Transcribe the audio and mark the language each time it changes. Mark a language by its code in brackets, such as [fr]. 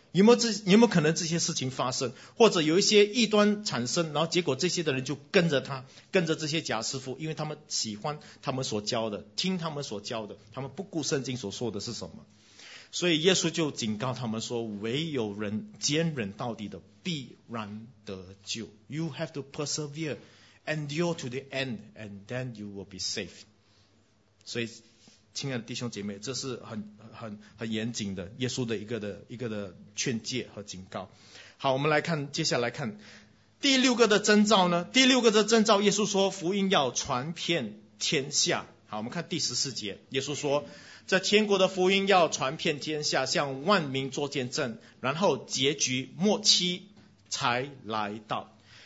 [zh] 有没有可能这些事情发生，或者有一些异端产生，然后结果这些的人就跟着他，跟着这些假师傅，因为他们喜欢他们所教的，听他们所教的，他们不顾圣经所说的是什么。所以耶稣就警告他们说，唯有人坚忍到底的必然得救。 [en] You have to persevere, endure to the end, and then you will be saved. [zh] 所以亲爱的弟兄姐妹，这是很严谨的耶稣的一个的劝诫和警告。好，我们来看，接下来看第六个的征兆呢。第六个的征兆，耶稣说福音要传遍天下。好，我们看第十四节，耶稣说这天国的福音要传遍天下，向万民做见证，然后结局末期才来到。